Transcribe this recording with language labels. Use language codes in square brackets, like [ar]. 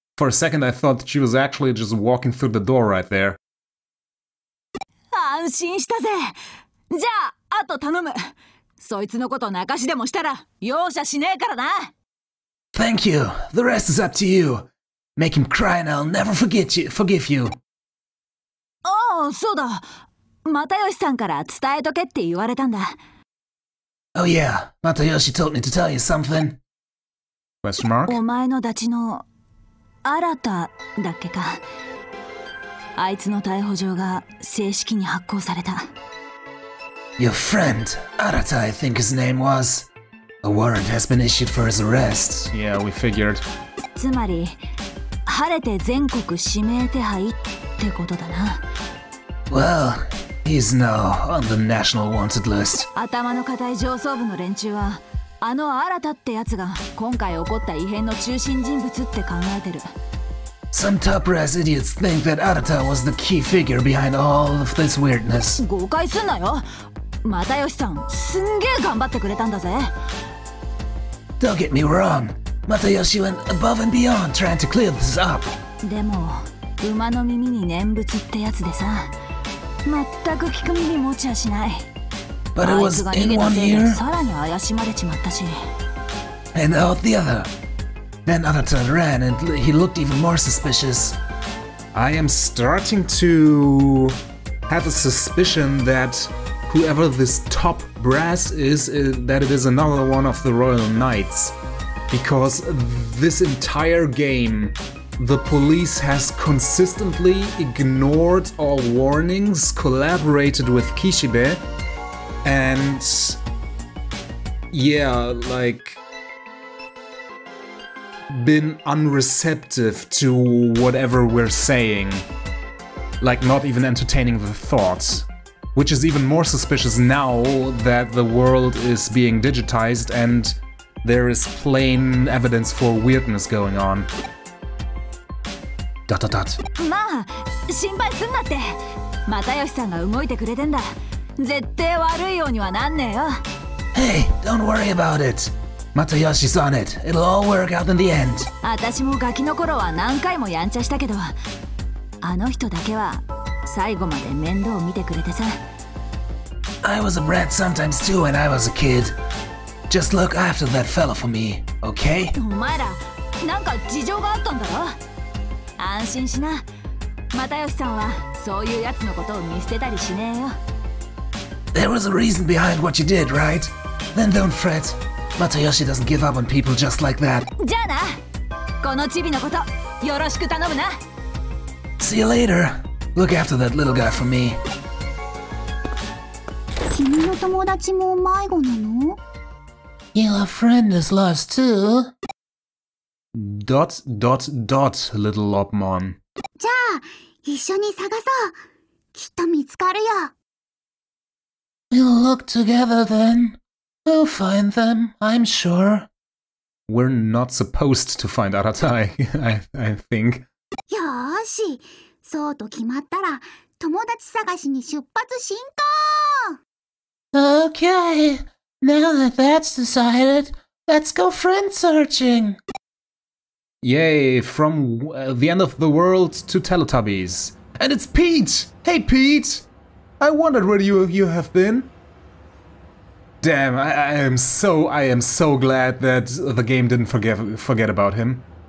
[en] For a second I thought she was actually just walking through the door right there. Ah, [ja] 安心したぜ。じゃあ、あと頼む。そいつのこと泣かしでもしたら、容赦しねえからな。 [en] Thank you. The rest is up to you. Make him cry and I'll never forgive you. [ja] ああ、そうだ。又吉さんから伝えとけって言われたんだ。 [en] Oh yeah, Matayoshi told me to tell you something. Question mark? [ja] お前のダチの、アラタだっけか。あいつの逮捕状が正式に発行された。 [en] Your friend, Arata, I think his name was. A warrant has been issued for his arrest. Yeah, we figured. [ja] つまり、晴れて全国指名手配ってことだな。 [en] Well, he's now on the national wanted list. [ja] 頭の固い上層部の連中は、あのアラタってやつが今回起こった異変の中心人物って考えてる。 [en] Some top brass idiots think that Arata was the key figure behind all of this weirdness. [ja] 誤解すんなよ。又吉さん、すんげえ頑張ってくれたんだぜ。 [en] Don't get me wrong. 又吉 went above and beyond trying to clear this up. [ja] でも、馬の耳に念仏ってやつでさ、全く聞く耳持ちやしない。 [en] But it was in one ear. [ja] さらに怪しまれちまったし。 [en] And out the other. Then Arata ran and he looked even more suspicious. I am starting to have a suspicion that whoever this top brass is that it is another one of the Royal Knights. Because this entire game, the police has consistently ignored all warnings, collaborated with Kishibe, and yeah, like... been unreceptive to whatever we're saying, like not even entertaining the thought, which is even more suspicious now that the world is being digitized and there is plain evidence for weirdness going on. Dot dot dot. [ja] まあ、心配すんなって。またよしさんが動いてくれてんだ。絶対悪いようにはなんねえよ。 [en] Hey, don't worry about it. Matayoshi's on it. It'll all work out in the end. [ja] 私もガキの頃は何回もやんちゃしたけど、あの人だけは最後まで面倒を見てくれてさ。 [en] I was a brat sometimes too when I was a kid. Just look after that fellow for me, okay? [ja] お前ら、なんか事情があったんだろ？安心しな。Matayoshi さんはそういう奴のことを見捨てたりしねえよ。 [en] There was a reason behind what you did, right? Then don't fret. Matayoshi doesn't give up on people just like that. [ja] じゃあな。このチビのことよろしく頼むな。 [en] See you later. Look after that little guy for me. [ja] 君の友達も迷子なの？ [en] Your friend is lost too. Dot dot dot, little Lopmon. [ja] じゃあ一緒に探そう。きっと見つかるよ。 [en] We'll look together then. We'll find them, I'm sure. We're not supposed to find Arata, I think. [ja] よーし、そうと決まったら、友達探しに出発進行。 [en] Okay, now that that's decided, let's go friend searching. Yay, from the end of the world to Teletubbies. And it's Pete! Hey Pete! I wondered where you have been. Damn, I am so glad that the game didn't forget about him.